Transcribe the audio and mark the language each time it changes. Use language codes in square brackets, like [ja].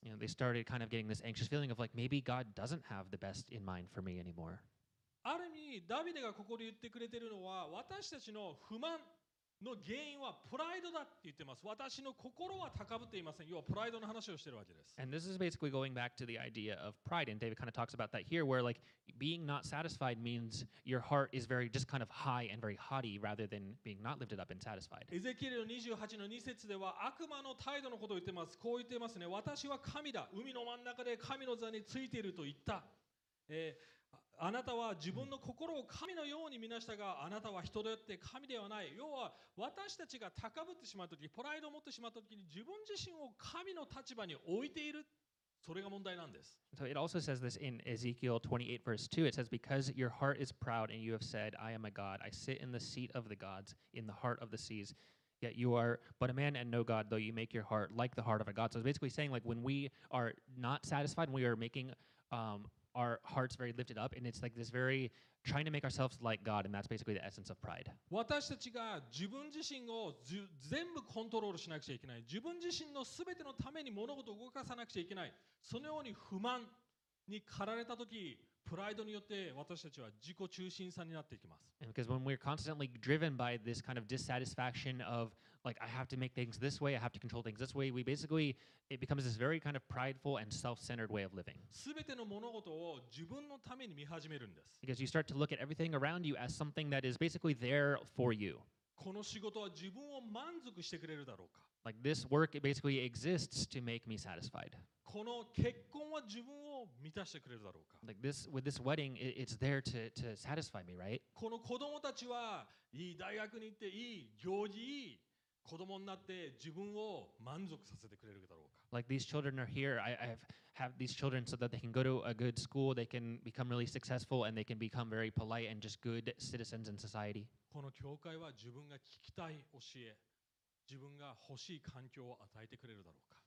[en] You know, they started kind of getting this anxious feeling of like, maybe God doesn't have the best in mind for me anymore. [ja] ある意味ダビデがここで言ってくれているのは私たちの不満の原因はプライドだって言ってます。私の心は高ぶっていません。要はプライドの話をしているわけです。 [en] And this is basically going back to the idea of pride. And David kind of talks about that here, where like being not satisfied means your heart is very just kind of high and very haughty rather than being not lifted up and satisfied. [ja] エゼキエル28の2節では悪魔の態度のことを言ってます。こう言ってますね。私は神だ。海の真ん中で神の座についていると言った。あなたは自分の心を神のように見なしたが、あなたは人であって神ではない。要は私たちが高ぶってしまった時、プライドを持ってしまった時に自分自身を神の立場に置いている。それが問題なんです。 [en] So it also says this in Ezekiel 28 verse 2. It says, because your heart is proud and you have said, I am a god. I sit in the seat of the gods, in the heart of the seas. Yet you are but a man and no god, though you make your heart like the heart of a god. So it's basically saying like when we are not satisfied, when we are making... our hearts very lifted up, and it's like this very trying to make ourselves like God, and that's basically the essence of pride. [ja] 私たちが自分自身を全部コントロールしなくちゃいけない。自分自身のすべてのために物事を動かさなくちゃいけない。そのように不満に駆られたとき、プライドによって私たちは自己中心さになっていきます。 [en] And because when we're constantly driven by this kind of dissatisfaction of like I have to make things this way, I have to control things this way, we basically it becomes this very kind of prideful and self-centered way of living. [ja] すべての物事を自分のために見始めるんです。 [en] Because you start to look at everything around you as something that is basically there for you. [ja] この仕事は自分を満足してくれるだろうか。 [en] Like this work it basically exists to make me satisfied. [ja] この結婚は自分を満たしてくれるだろうか。 [en] Like this with this wedding it's there to satisfy me, right? [ja] この子供たちはいい大学に行っていい行事いい子供になって自分を満足させてくれるだろうか。 [en] Like these children are here, I have these children so that they can go to a good school, they can become really successful, and they can become very polite and just good citizens in society. [ja] この教会は自分が聞きたい教え、自分が欲しい環境を与えてくれるだろうか。